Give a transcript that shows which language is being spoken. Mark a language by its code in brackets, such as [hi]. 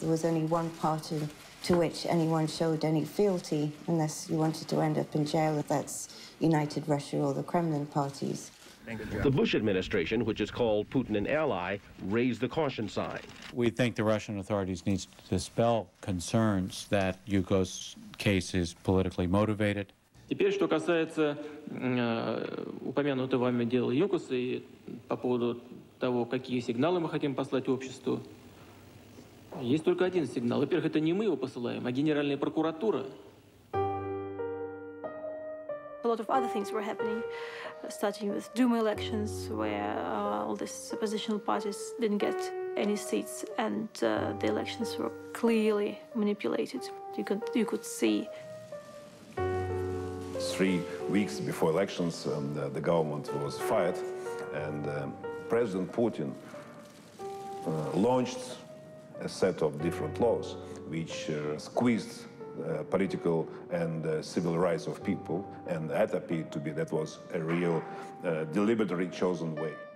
[en] There was only one party to which anyone showed any fealty, unless you wanted to end up in jail, that's United Russia or the Kremlin parties. The Bush administration, which is called Putin an ally, raised the caution sign. We think the Russian authorities need to dispel concerns that Yukos' case is politically motivated. [ru] Теперь, что касается упомянутого вами дела Юкоса и по поводу того, какие сигналы мы хотим послать обществу, есть только один сигнал. Во-первых, это не мы его посылаем, а Генеральная прокуратура. [en] A lot of other things were happening, starting with Duma elections, where all these oppositional parties didn't get any seats, and the elections were clearly manipulated. You could see. 3 weeks before elections, the government was fired, and President Putin launched a set of different laws which squeezed political and civil rights of people, and that appeared to be that was a real deliberately chosen way.